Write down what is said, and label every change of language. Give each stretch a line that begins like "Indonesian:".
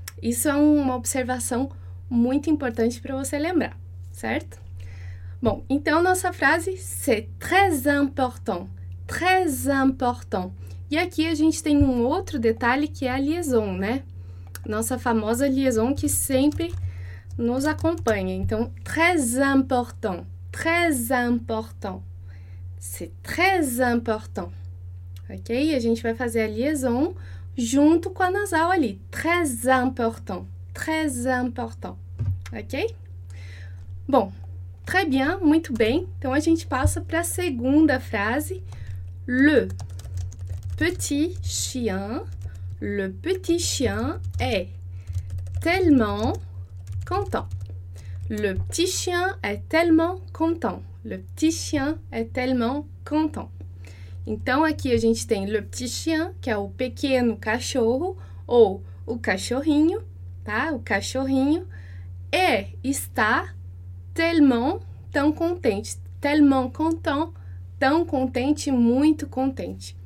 Portuguese: Isso é uma observação muito importante para você lembrar, certo? Bom, então nossa frase
French: c'est très important, très important.
Portuguese: E aqui a gente tem um outro detalhe que é a liaison, né? Nossa famosa liaison que sempre nos acompanha. Então,
French: très important, très important, c'est très important.
Portuguese: Ok? A gente vai fazer a liaison junto com a nasal ali.
French: Très important. Très important. Ok?
Portuguese: Bom,
French: très bien,
Portuguese: muito bem. Então a gente passa para a segunda frase.
French: Le petit chien. Le petit chien est tellement content. Le petit chien est tellement content. Le petit chien est tellement content.
Portuguese: Então, aqui a gente tem
French: le petit chien,
Portuguese: que é o pequeno cachorro, ou o cachorrinho, tá? O cachorrinho é, está tellement, tão contente.
French: Tellement content,
Portuguese: tão contente, muito contente.